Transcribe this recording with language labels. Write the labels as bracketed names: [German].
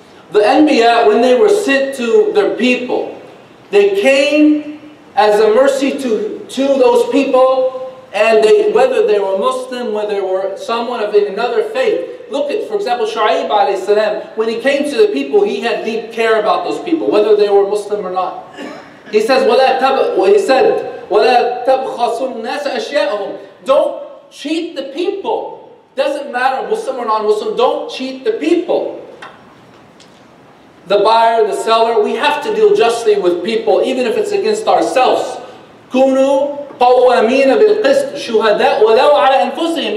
[English] The Anbiya, when they were sent to their people, they came as a mercy to those people, and they, whether they were Muslim, whether they were someone of another faith. Look at, for example, Shu'aib alayhi salam, when he came to the people, he had deep care about those people, whether they were Muslim or not. He says, [Arabic] وَلَا تَبْخَصُ النَّاسَ أَشْيَاءَهُمْ. [English] Don't cheat the people. Doesn't matter, Muslim or non-Muslim, don't cheat the people. The buyer, the seller, we have to deal justly with people, even if it's against ourselves. [Arabic] كُنُوا قَوَّمِينَ بِالْقِسْطِ شُهَدَاءَ وَلَوْ عَلَى أَنفُسِهِمْ.